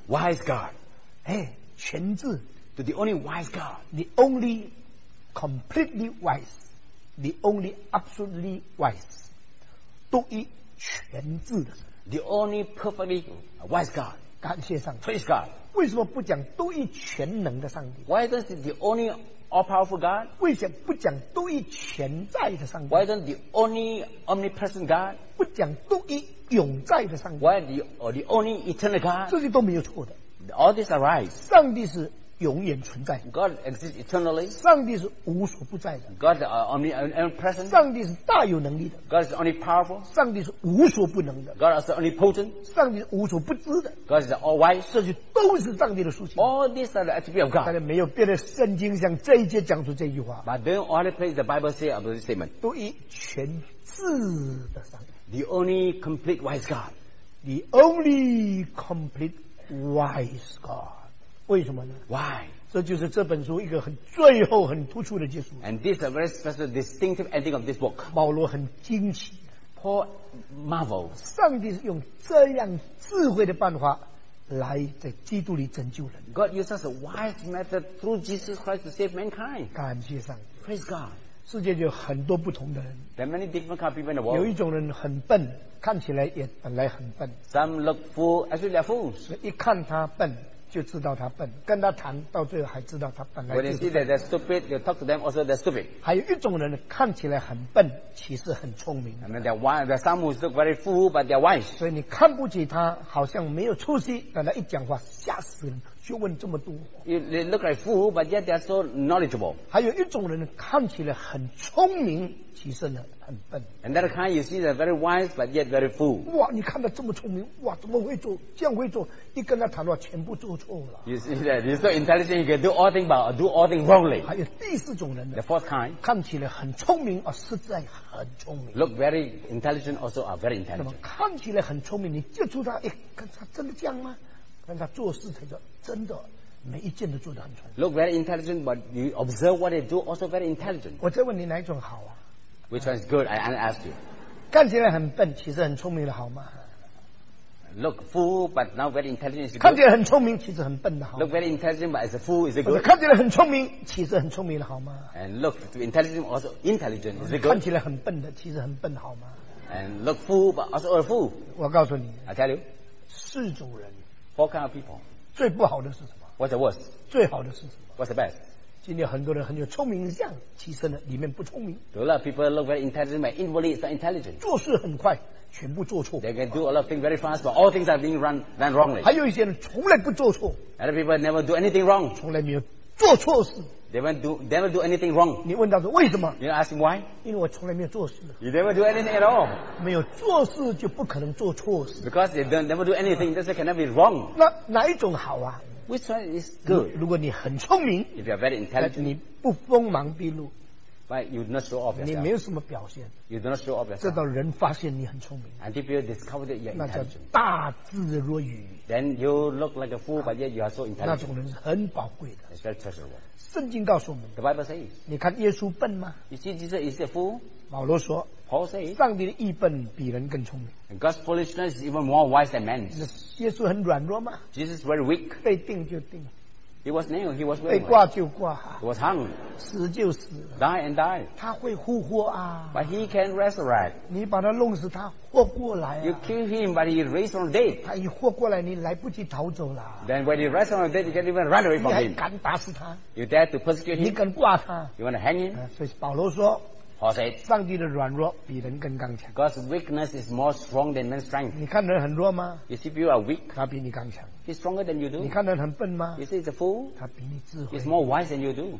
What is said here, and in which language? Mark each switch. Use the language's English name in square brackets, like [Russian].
[English] wise God， [Chinese] 哎，全智 [English] to the only wise God， the only completely wise， the only absolutely wise， [Chinese] 独一全智的 [English] the only perfectly wise God， [Chinese] 感谢上帝 [English] praise God， [Chinese] 为什么不讲独一全能的上帝 [English] ？Why doesn't the only all powerful God？ [Chinese] 为什么不讲独一全在的上帝 [English] ？Why doesn't the only omnipresent God？ [Chinese] 不讲独一。永在的上帝 [English] Why the only eternal God [Chinese] 这些都没有错的 [English] All this arise [Chinese] 上帝是永远存在。 [English] God exists eternally. [Chinese] 上帝是无所不在的。 [English] God is omnipresent. [Chinese] 上帝是大有能力的。 [English] God is omnipowerful. [Chinese] 上帝是无所不能的。 [English] God is omnipotent. [Chinese] 上帝是无所不知的。 [English] God is all wise. [Chinese] 这些都是上帝的事情。 [English] All these are the attributes of God. [Chinese] 但是没有别的圣经像这一节讲出这句话。 [English] But the only place the Bible says about this statement. [Chinese] 独一全智的上帝。 [English] The only complete wise God. The only complete wise God. [Chinese] 为什么呢 [English] ？Why？ [Chinese] 这就是这本书一个很最后很突出的结束。 [English] And this is a very special distinctive ending of this book. [Chinese] 保罗很惊奇 [English] ，Paul marvels. [Chinese] 上帝是用这样智慧的办法来在基督里拯救人。 [English] God uses a wise method through Jesus Christ to save mankind. [Chinese] 感谢上帝 [English] ，Praise God. [Chinese] 世界就很多不同的人 [English] ，There are many different kind of people in the world. [Chinese] 有一种人很笨。看起来也本来很笨 [English] ，Some look fool, actually they're fools. [Chinese] 一看他笨，就知道他笨。跟他谈到最后，还知道他本来就是笨。 [English] When you see that they're stupid, you talk to them also they're stupid. [Chinese] 还有一种人看起来很笨，其实很聪明。 [English] I mean they're wise. There are some who look very fool, but they're wise. [Chinese] 所以你看不起他，好像没有出息，但他一讲话吓死人，学问这么多。 [English] They look like fool, but yet they're so knowledgeable. [Chinese] 还有一种人看起来很聪明，其实呢。很笨 [English] and that kind you see they're very wise but yet very fool [Chinese] 哇你看他这么聪明哇怎么会做这样会做一跟他谈话全部做错了 [English] you see that you're so intelligent you can do all things but do all things wrongly [Chinese] 还有第四种人 [English] the fourth kind [Chinese] 看起来很聪明而实在很聪明 [English] look very intelligent also are very intelligent [Chinese] 那么看起来很聪明你接触他哎，看他真的这样吗但他做事才说真的每一件都做得很聪明 [English] look very intelligent but you observe what they do also very intelligent [Chinese] 我再问你哪一种好啊 [English] Which one is good? I ask you. [Chinese] 看起来很笨，其实很聪明的好吗 [English] ？Look fool, but now very intelligent. [Chinese] 看起来很聪明，其实很笨的好。 [English] Look very intelligent, but as a fool, is it good? [Chinese] 看起来很聪明，其实很聪明的好吗 [English] ？And look intelligent, also intelligent, is it good? [Chinese] 看起来很笨的，其实很笨的好吗 [English] ？And look fool, but also a fool. [Chinese] 我告诉你 [English] ，I tell you, [Chinese] 四种人 [English] ，four kind of people. [Chinese] 最不好的是什么 [English] ？What's the worst? [Chinese] 最好的是什么 [English] ？What's the best? [Chinese] 今天很多人很有聪明相，其实呢里面不聪明。 [English] A lot of people look very intelligent, but inwardly it's not intelligent. [Chinese] 做事很快，全部做错。 [English] They can do a lot of things very fast, but all things are being done wrongly. [Chinese] 还有一些人从来不做错。 [English] Other people never do anything wrong. [Chinese] 从来没有做错事。 [English] They never do anything wrong. [Chinese] 你问他说为什么 [English] ？You ask him why? [Chinese] 因为我从来没有做事。 [English] You never do anything at all. [Chinese] 没有做事就不可能做错事。 [English] Because they never do anything, that's why cannot be wrong. [Chinese] 那哪一种好啊？ [English] Which one is good? [Chinese] 如果你很聪明 [English] If you are very intelligent [Chinese] 你不锋芒毕露 [English] But you do not show off yourself [Chinese] 你没有什么表现 [English] You do not show off yourself [Chinese] 直到人发现你很聪明 [English] And if you discover that you are intelligent [Chinese] 那叫大智若愚 [English] Then you look like a fool But yet you are so intelligent [Chinese] 那种人是很宝贵的 [English] It's very treasurable [Chinese] 圣经告诉我们 [English] The Bible says [Chinese] 你看耶稣笨吗 [English] You see Jesus is a fool [Chinese] 保罗说 [English] Paul says [Chinese] 上帝的义笨比人更聪明 [English] And God's foolishness is even more wise than man's [Chinese] 耶稣很软弱吗 [English] Jesus is very weak [Chinese] 被钉就钉 [English] He was nailed He was willing [Chinese] 被挂就挂 [English] He was hung [Chinese] 死就死 [English] Die and die [Chinese] 他会复活啊 [English] But he can resurrect [Chinese] 你把他弄死他活过来啊 [English] You kill him but he raised from the dead [Chinese] 他一活过来你来不及逃走了 [English] Then when he raised from the dead you can't even run away from him [Chinese] 你还敢打死他 [English] You dare to persecute him [Chinese] 你敢挂他 [English] You want to hang him [Chinese] 所以保罗说上帝的软弱比人更刚强。 [English] God's weakness is more strong than man's strength. [Chinese] 你看人很弱吗 [English] ？You see, you are weak. [Chinese] 他比你刚强。 [English] He's stronger than you do. [Chinese] 你看人很笨吗 [English] ？You see, he's a fool. [Chinese] 他比你智慧。 [English] He's more wise than you do.